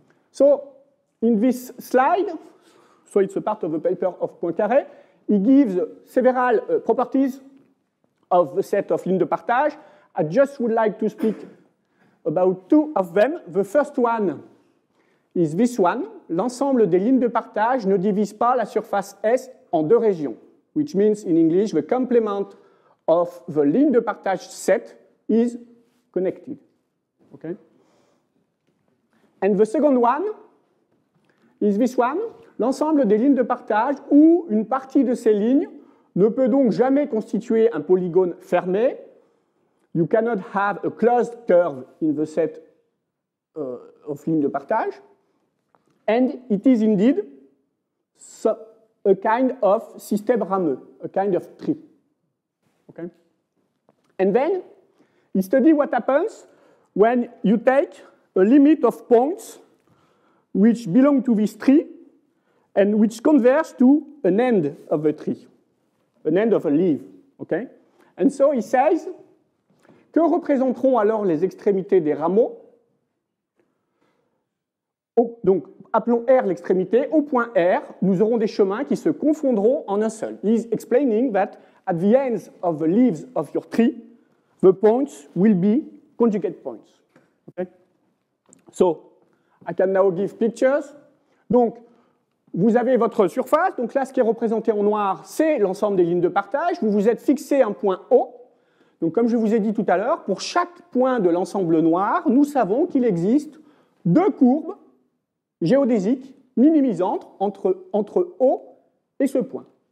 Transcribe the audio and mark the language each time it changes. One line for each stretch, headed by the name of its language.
English: So in this slide, so it's a part of the paper of Poincaré, he gives several properties of the set of ligne de partage. I just would like to speak about two of them. The first one is this one.
French: L'ensemble des lignes de partage ne divise pas la surface S en deux régions.
English: Which means in English, the complement of the ligne de partage set is connected. Okay. And the second one is this one,
French: l'ensemble des lignes de partage où une partie de ces lignes ne peut donc jamais constituer un polygone fermé.
English: You cannot have a closed curve in the set of ligne de partage. And it is indeed a kind of système rameux, a kind of tree, okay? And then, you study what happens when you take a limit of points which belong to this tree and which converge to an end of a tree, an end of a leaf, okay? And so he says,
French: que représenteront alors les extrémités des rameaux? Oh, donc, appelons R l'extrémité, au point R, nous aurons des chemins qui se confondront en un seul.
English: He's explaining that at the ends of the leaves of your tree, the points will be conjugate points. Okay? So, I can now give pictures.
French: Donc, vous avez votre surface, donc là, ce qui est représenté en noir, c'est l'ensemble des lignes de partage. Vous vous êtes fixé un point O. Donc, comme je vous ai dit tout à l'heure, pour chaque point de l'ensemble noir, nous savons qu'il existe deux courbes géodésique minimisante entre O et ce point.